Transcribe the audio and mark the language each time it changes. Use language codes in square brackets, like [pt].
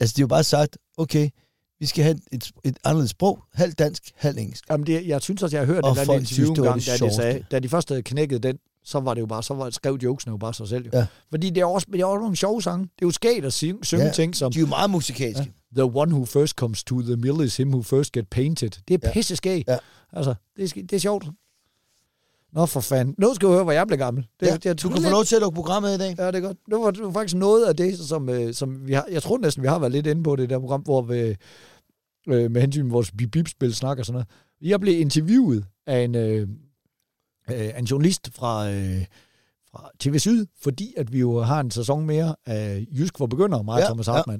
[da] Altså, de har jo bare sagt, okay, vi skal have et andet sprog, halv dansk, halv engelsk. Jamen, jeg synes også, jeg har hørt den der interview en gang, da de sagde, da de først havde knækket den, så var det jo bare, skrev jokesene jo bare sig selv. Ja. Fordi det er også nogle sjove sange. Det er jo skægt at synge ting som... De er jo meget musikalske. Ja. [en] The one who first comes to the mill is him who first get painted. [da] Det er pisse skægt. Ja. Altså, det er sjovt. Nå for fanden. Nu skal du høre, hvor jeg blev gammel. Du kan få lov til at lukke programmet i dag. Ja, det er godt. Det var faktisk noget af det, som vi har... Jeg tror næsten, vi har været lidt inde på det der program, hvor vi med hensyn til vores bip-bip-spil snak og sådan noget. Jeg blev interviewet af en journalist fra TV Syd, fordi at vi jo har en sæson mere af Jysk for Begynder, mig og Thomas Hartmann.